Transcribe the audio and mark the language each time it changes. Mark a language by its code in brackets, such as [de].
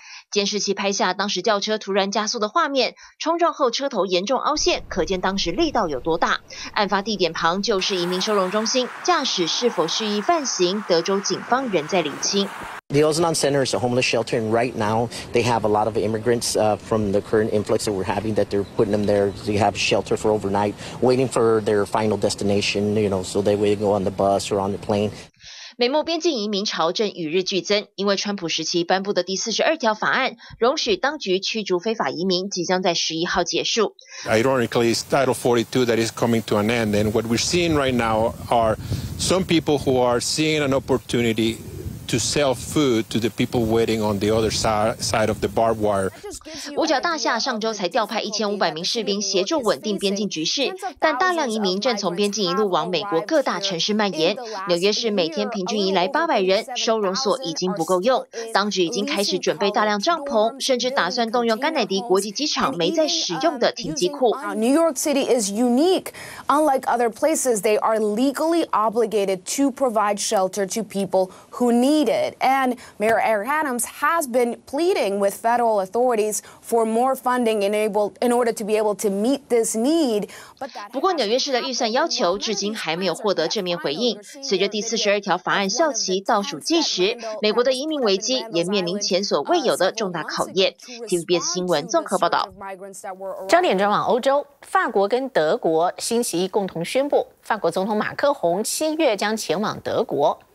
[zh] 监视器拍下当时轿车突然加速的画面，冲撞后车头严重凹陷，可见当时力道有多大。案发地点旁就是移民收容中心，驾驶是否蓄意犯行，德州警方仍在厘清。 [en] The Osnan Center is a homeless shelter, and right now they have a lot of immigrants from the current influx that we're having. That they're putting them there. They have shelter for overnight, waiting for their final destination. You know, so they will go on the bus or on the plane. [zh] 美墨边境移民潮正与日俱增，因为川普时期颁布的第42条法案容许当局驱逐非法移民，即将在11号结束。 [en] Ironically, it's Title 42 that is coming to an end, and what we're seeing right now are some people who are seeing an opportunity to sell food to the people waiting on the other side of the barbed wire. [zh] 五角大厦上周才调派1500名士兵协助稳定边境局势，但大量移民正从边境一路往美国各大城市蔓延。纽约市每天平均移来800人，收容所已经不够用，当局已经开始准备大量帐篷，甚至打算动用甘乃迪国际机场没再使用的停机库。 [en] New York City is unique. Unlike other places, they are legally obligated to provide shelter to people who need it. And Mayor Eric Adams has been pleading with federal authorities for more funding in order to be able to meet this need. [zh] 不过纽约市的预算要求至今还没有获得正面回应。随着第42条法案效期倒数计时，美国的移民危机也面临前所未有的重大考验。 TVBS 新闻综合报道。焦点转往欧洲，法国跟德国星期一共同宣布，法国总统马克宏7月将前往德国。